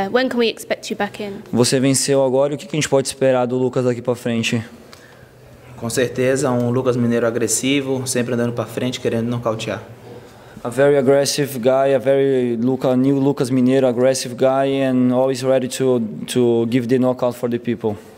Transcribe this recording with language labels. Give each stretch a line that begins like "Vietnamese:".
English: When can we expect you back in?
Portuguese: Você venceu agora. O que a gente pode esperar do Lucas daqui para frente? Com certeza, Lucas Mineiro agressivo, sempre andando para frente, querendo nocautear.
English: A very aggressive guy, a very new Lucas Mineiro, aggressive guy, and always ready to give the knockout for the people.